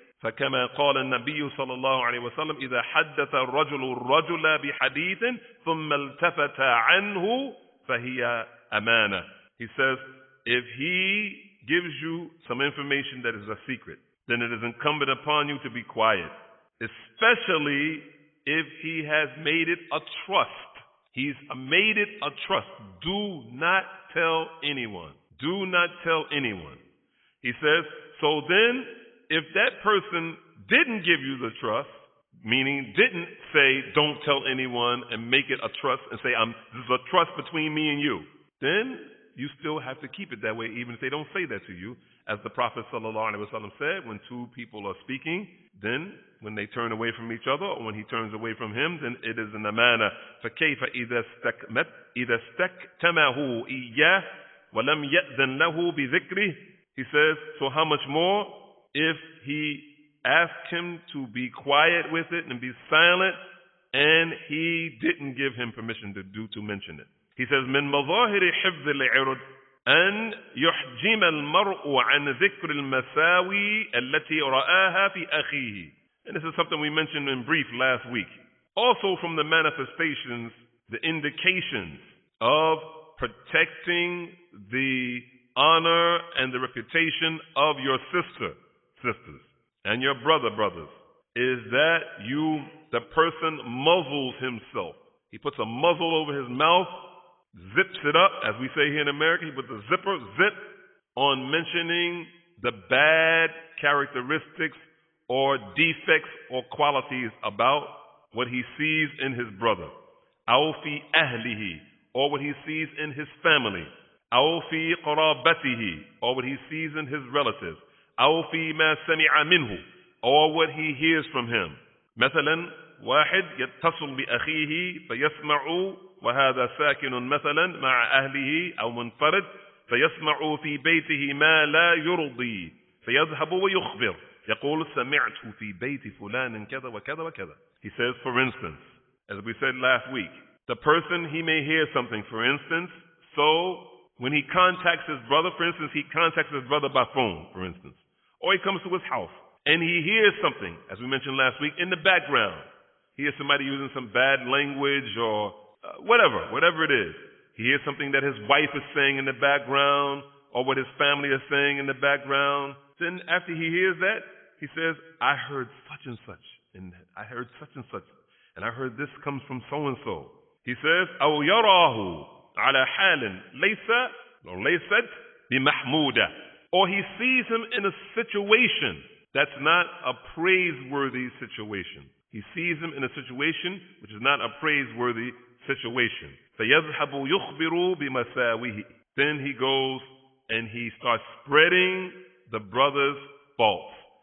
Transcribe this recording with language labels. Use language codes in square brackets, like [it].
[ar] فكما قال النبي صلى الله عليه وسلم إذا حدث الرجل الرجل بحديث ثم التفت عنه فهي أمانة. [en] He says, if he gives you some information that is a secret, then it is incumbent upon you to be quiet, especially if he has made it a trust. He's made it a trust. Do not tell anyone. Do not tell anyone. He says, so then, if that person didn't give you the trust, meaning didn't say, don't tell anyone and make it a trust and say, this is a trust between me and you, then you still have to keep it that way, even if they don't say that to you. As the Prophet sallallahu alaihi wasallam said, when two people are speaking, then when they turn away from each other, or when he turns away from him, then it is an amana. [ar] فَكَيْفَ إِذَا اسْتَكْتَمَهُ إِيَّهُ وَلَمْ يَأْذَنْ لَهُ بِذِكْرِهِ. [en] He says, so how much more if he asked him to be quiet with it and be silent, and he didn't give him permission to mention it. He says, [ar] مِنْ مَظَاهِرِ حِفْظِ الْعِرُدِ أن يحجم المرء عن ذكر المساوي التي رآها في أخيه. [en] And this is something we mentioned in brief last week. Also from the manifestations, the indications of protecting the honor and the reputation of your sisters, and your brothers, is that the person muzzles himself. He puts a muzzle over his mouth, zips it up, as we say here in America, he puts a zip on mentioning the bad characteristics or defects or qualities about what he sees in his brother. [ar] أو في أهله, [en] or what he sees in his family. [ar] أو في قرابته, [en] or what he sees in his relatives. [ar] أو في ما سمع منه, [en] or what he hears from him. [ar] مثلا, واحد يتصل بأخيه فيسمع وهذا ساكن مثلا مع أهله أو منفرد فيسمع في بيته ما لا يرضي فيذهب ويخبر يقول سمعت في بيت فلان كذا وكذا وكذا. [en] He says, for instance, as we said last week, the person, he may hear something, for instance, so when he contacts his brother, for instance, he contacts his brother by phone, for instance, or he comes to his house and he hears something, as we mentioned last week, in the background. He hears somebody using some bad language or whatever it is. He hears something that his wife is saying in the background or what his family is saying in the background. Then after he hears that, he says, I heard such and such, and I heard such and such, and I heard this comes from so and so. He says, [ar] أو يراه على حال ليست بمحمودة. [en] Or he sees him in a situation that's not a praiseworthy situation. He sees him in a situation which is not a praiseworthy situation. [ar] فيذهب يخبر بمساويه. [en] Then he goes and he starts spreading the brother's faults.